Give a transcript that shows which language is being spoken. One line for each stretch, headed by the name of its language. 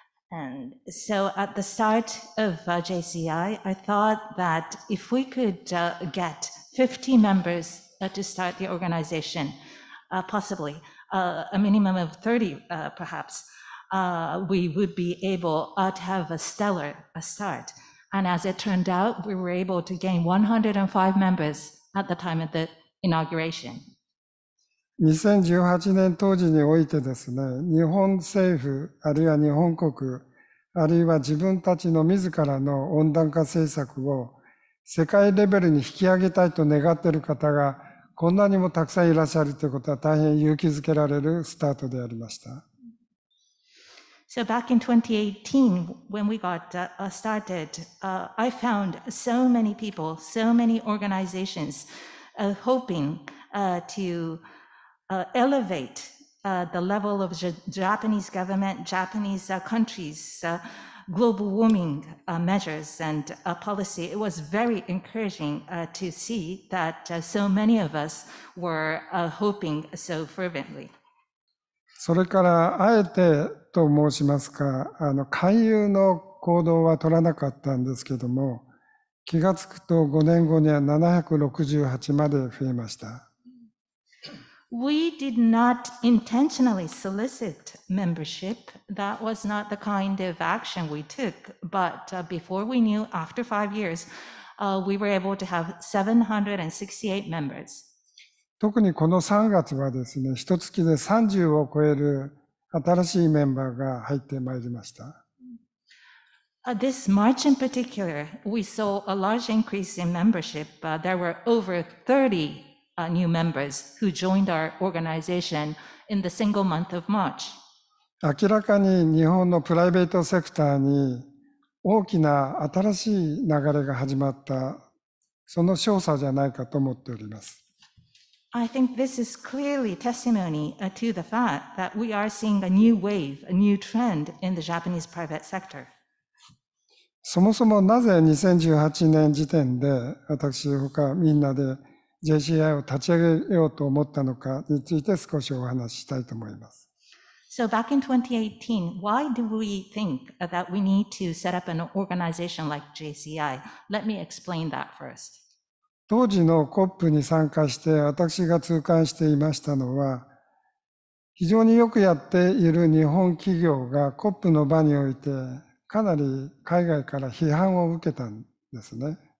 English: And so at the start of JCI, I thought that if we could get 50 members to start the organization, possibly a minimum of 30 perhaps, we would be able to have a stellar start. And as it turned out, we were able to gain 105 members at the time of the inauguration.
Japanese: 2018年当時においてですね、日本政府あるいは日本国あるいは自分たちの自らの温暖化政策を世界レベルに引き上げたいと願っている方がこんなにもたくさんいらっしゃるということは大変勇気づけられるスタートでありました。
English: So back in 2018, when we got started, I found so many people, so many organizations hoping to elevate the level of Japanese government, Japanese countries, global warming measures and policy, it was very encouraging to see that so many of us were hoping so fervently.
Japanese: それからあえてと申しますか、勧誘の行動は取らなかったんですけども、気がつくと5年後には768まで増えました。
English: We did not intentionally solicit membership. That was not the kind of action we took. But before we knew, after 5 years, we were able to have 768 members.
Japanese: 特にこの3月はですね、一月で30を超える新しいメンバーが入ってまいりました。
English: This March in particular, we saw a large increase in membership. There were over 30new members who joined our organization in the single month of March.
Japanese: 明らかに日本のプライベートセクターに大きな新しい流れが始まった、その証左じゃないかと思っております。
English: I think this is clearly testimony to the fact that we are seeing a new wave, a new trend in the Japanese private sector.
Japanese: そもそもなぜ2018年時点で私ほかみんなで JCI を立ち上げようと思ったのかについて少しお話ししたいと思います。
English: So back in 2018, why do we think that we need to set up an organization like JCI? Let me explain that first.
Japanese: 当時の COP に参加して私が痛感していましたのは、非常によくやっている日本企業が COP の場においてかなり海外から批判を受けたんですね。